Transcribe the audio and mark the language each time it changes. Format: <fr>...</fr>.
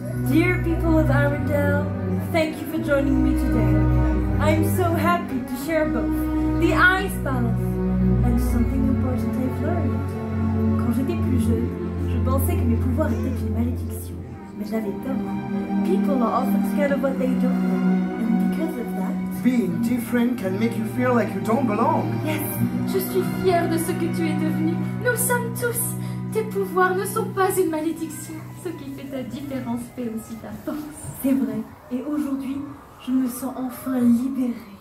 <en>Dear people of Arendelle, thank you for joining me today. I'm so happy to share both the ice palace and something important I've learned.</en> <fr>Quand j'étais plus jeune, je pensais que mes pouvoirs étaient une malédiction, mais j'avais tort.</fr> <en>People are often scared of what they don't know, and because of that... Being different can make you feel like you don't belong.</en> <fr>Yes, je suis fière de ce que tu es devenue. Nous le sommes tous. Tes pouvoirs ne sont pas une malédiction. Ce qui fait ta différence fait aussi ta force. C'est vrai, et aujourd'hui, je me sens enfin libérée.</fr>